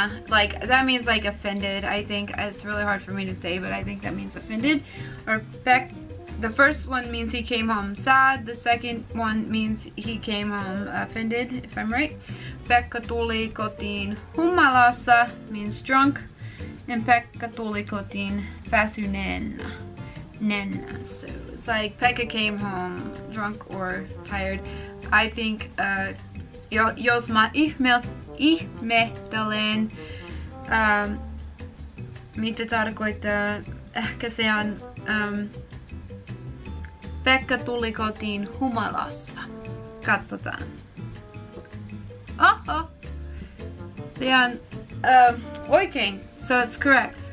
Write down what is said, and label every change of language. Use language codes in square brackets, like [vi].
[en] Like, that means like offended, I think. It's really hard for me to say, but I think that means offended. Or Beck, the first one means he came home sad, the second one means he came home offended, if I'm right. [fi] Pekka tuli kotiin humalassa [en] means drunk, and [fi] Pekka tuli kotiin väsyneenä. Nenna. [en] So it's like Pekka came home drunk or tired. I think, [fi] jos mä ihmettelen, mitä tarkoittaa, ehkä se on Pekka tuli kotiin humalassa. Katsotaan. Oho! Se on oikein. [en] So it's correct.